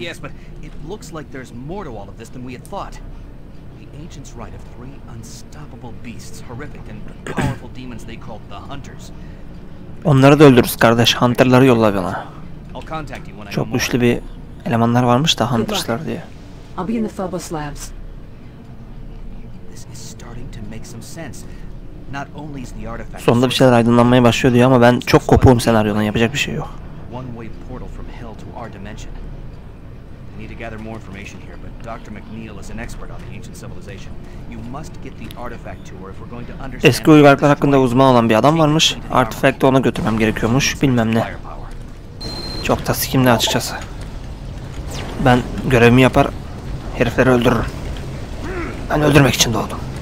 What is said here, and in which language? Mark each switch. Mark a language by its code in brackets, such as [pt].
[en] Yes, but it looks like there's more to all of this than we had thought. The ancients write of three unstoppable beasts, horrific and powerful demons they called the Hunters. [tr] Onları da öldürürüz kardeş, Hunter'ları yolla bana. Çok güçlü bir elemanlar varmış da Hunters'lar diye. [en] I'll be in the Phobos labs. This is starting to make some sense. Not only is the artifact. [tr] Sonunda bir şeyler aydınlanmaya başlıyor diyor ama ben çok kopuğum senaryodan, yapacak bir şey yok. [en] One way portal from hell to our dimension. I need to gather more information here, but Dr. McNeil is an expert on the ancient civilization. You must get the artifact to her if we're going to understand. [tr] Eski uygarlıklar hakkında uzman olan bir adam varmış. Artifact'i ona götürmem gerekiyormuş, bilmem ne. Çok da sikimli açıkçası. Ben görevimi yapar, herifleri öldürürüm. Ben öldürmek için doğdum.